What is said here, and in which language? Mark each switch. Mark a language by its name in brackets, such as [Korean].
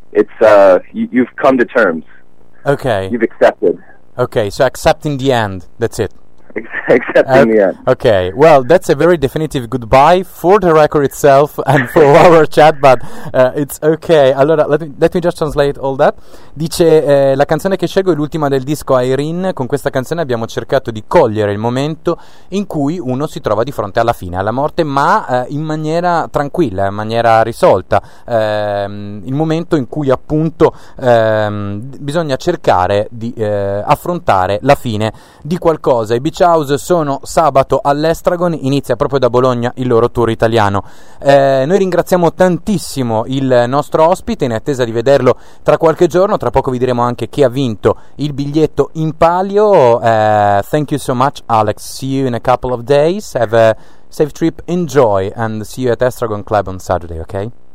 [English] It's you've come to terms. Okay. You've accepted. Okay, so accepting the end. That's it. Accepting the end. Okay. Well, that's a very definitive goodbye for the record itself and for our chat, but it's okay. Allora, let me just translate all that. [Italian] Dice, la canzone che scelgo è l'ultima del disco Irene. Con questa canzone abbiamo cercato di cogliere il momento in cui uno si trova di fronte alla fine, alla morte, ma in maniera tranquilla, in maniera risolta. Il momento in cui appunto bisogna cercare di affrontare la fine di qualcosa. E Beach House sono sabato all'Estragon, inizia proprio da Bologna il loro tour italiano. Noi ringraziamo tantissimo il nostro ospite, in attesa di vederlo tra qualche giorno. Tra poco vi diremo anche chi ha vinto il biglietto in palio. [English] Thank you so much, Alex. See you in a couple of days. Have a safe trip, enjoy, and see you at Estragon Club on Saturday, okay?